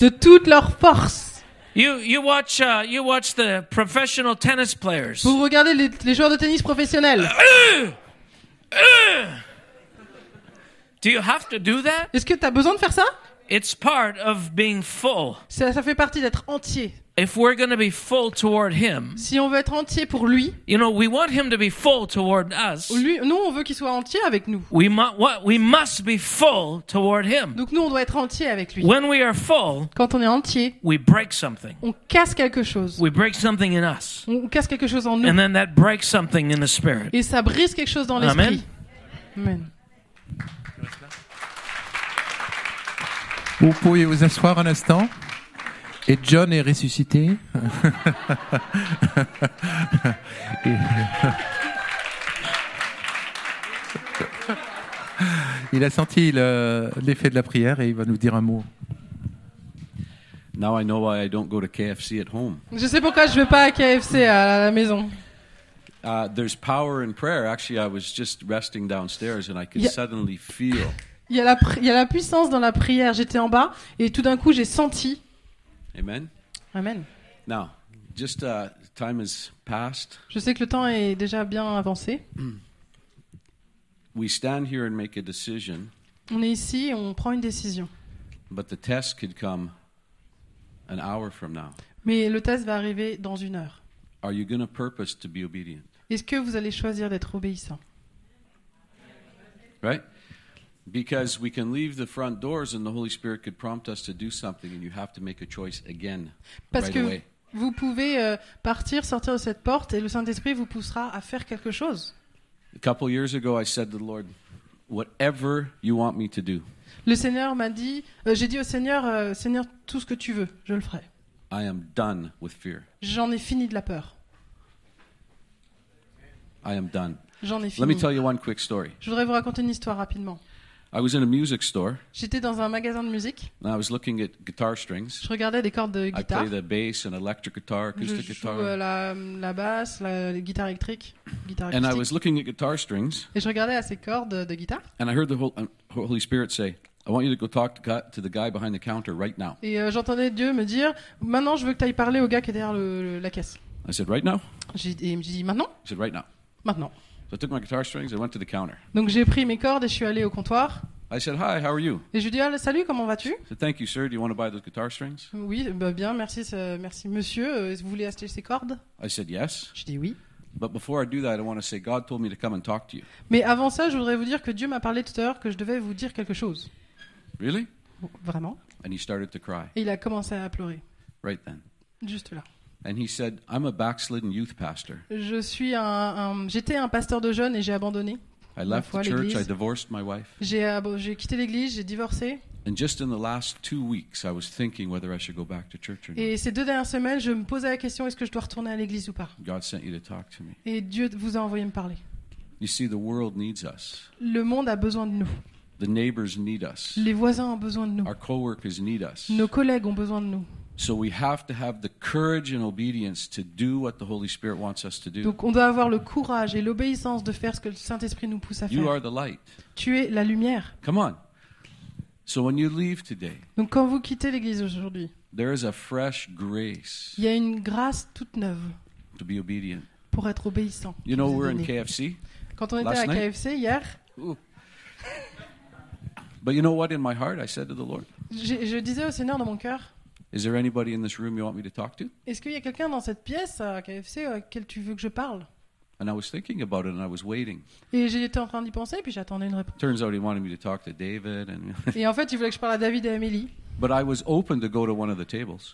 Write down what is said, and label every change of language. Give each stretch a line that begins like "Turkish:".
French: De toute leur force.
English: You watch the professional tennis players.
French: Vous regardez les joueurs de tennis professionnels.
English: Do you have to do that?
French: Est-ce que tu as besoin de faire ça?
English: It's part of being full.
French: Ça fait partie d'être entier.
English: If we're going to be full toward him.
French: Si on veut être entier pour lui.
English: You know, we want him to be full toward us.
French: Nous on veut qu'il soit entier avec nous.
English: We must be full toward him.
French: Donc nous on doit être entier avec lui.
English: When we are full.
French: Quand on est entier.
English: We break something.
French: On casse quelque chose.
English: We break something in us.
French: On casse quelque chose en nous.
English: And then that breaks something in the spirit.
French: Et ça brise quelque chose dans l'esprit.
English: Amen.
French: Vous pouvez vous asseoir un instant. Et John est ressuscité. Il a senti l'effet de la prière et il va nous dire un mot.
English: Now I know why I don't go to KFC at home.
French: Je sais pourquoi je ne vais pas à KFC à la maison.
English: There's power in prayer. Actually, I was just resting downstairs and I could suddenly feel.
French: Il y a la puissance dans la prière. J'étais en bas et tout d'un coup, j'ai senti.
English: Amen. Amen. Now, just time has passed.
French: Je sais que le temps est déjà bien avancé.
English: We stand here and make a decision.
French: On est ici et on prend une décision.
English: But the test could come an hour from now.
French: Mais le test va arriver dans une heure.
English: Are you going to purpose to be obedient?
French: Est-ce que vous allez choisir d'être obéissant?
English: Right? Because we can leave the front doors and the Holy Spirit could prompt us to do something and you have to make a choice again.
French: Parce
English: right
French: que
English: away.
French: Vous pouvez partir, sortir de cette porte et le Saint-Esprit vous poussera à faire quelque chose.
English: A couple years ago, I said to the Lord, whatever you want me to do.
French: Le Seigneur m'a dit, j'ai dit au Seigneur, Seigneur, tout ce que tu veux, je le ferai.
English: I am done with fear.
French: J'en ai fini de la peur.
English: I am done.
French: J'en ai fini.
English: Let me tell you one quick story.
French: Je voudrais vous raconter une histoire rapidement.
English: I was in a music store.
French: J'étais dans un magasin de musique.
English: And I was looking at guitar strings.
French: Je regardais des cordes de guitare.
English: I play the bass and electric guitar, acoustic guitar.
French: Je joue la basse, la guitare électrique, guitare acoustique.
English: And I was looking at guitar strings.
French: Et je regardais à ces cordes de guitare.
English: And I heard the Holy Spirit say, "I want you to go talk to the guy behind the counter right now."
French: Et j'entendais Dieu me dire, "Maintenant, je veux que tu ailles parler au gars qui est derrière la caisse."
English: I said, "Right now."
French: Il me dit, "Maintenant."
English: I said, "Right now."
French: Maintenant.
English: So I took my guitar strings and went to the counter.
French: Donc j'ai pris mes cordes et je suis allé au comptoir.
English: I said, "Hi, how are you?"
French: Et je lui dis, "Salut, comment vas-tu?"
English: He said, "Thank you, sir. Do you want to buy those guitar strings?"
French: Oui, bien, merci, monsieur. Vous voulez acheter ces cordes?
English: I said, "Yes."
French: Je dis oui.
English: But before I do that, I want to say God told me to come and talk to you.
French: Mais avant ça, je voudrais vous dire que Dieu m'a parlé tout à l'heure que je devais vous dire quelque chose.
English: Really?
French: Vraiment?
English: And he started to cry.
French: Et il a commencé à pleurer.
English: Right then.
French: Juste là.
English: And he said, "I'm a backslidden youth pastor."
French: Je suis j'étais un pasteur de jeunes et j'ai abandonné.
English: I left the church. I divorced my wife.
French: J'ai quitté l'église. J'ai divorcé.
English: And just in the last 2 weeks, I was thinking whether I should go back to church or not.
French: Et ces deux dernières semaines, je me posais la question est-ce que je dois retourner à l'église ou pas?
English: God sent you to talk to me.
French: Et Dieu vous a envoyé me parler.
English: You see, the world needs us.
French: Le monde a besoin de nous.
English: The neighbors need us.
French: Les voisins ont besoin de nous.
English: Our coworkers need us.
French: Nos collègues ont besoin de nous.
English: So we have to have the courage and obedience to do what the Holy Spirit wants us to do.
French: Donc on doit avoir le courage et l'obéissance de faire ce que le Saint-Esprit nous pousse à faire.
English: You are the light.
French: Tu es la lumière.
English: Come on. So when you leave today.
French: Donc quand vous quittez l'église aujourd'hui.
English: There is a fresh grace.
French: Il y a une grâce toute neuve.
English: To be obedient.
French: Pour être obéissant.
English: You know we're in KFC.
French: Quand on était à KFC hier. Ooh.
English: But you know what? In my heart, I said to the Lord.
French: Je disais au Seigneur dans mon cœur.
English: Is there anybody in this room you want me to talk to?
French: Est-ce qu'il y a quelqu'un dans cette pièce à KFC à qui tu veux que je parle?
English: And I was thinking about it, and I was waiting.
French: Et j'étais en train d'y penser, puis j'attendais une réponse.
English: Turns out he wanted me to talk to David. And
French: et en fait, il voulait que je parle à David et à Emily.
English: But I was open to go to one of the tables.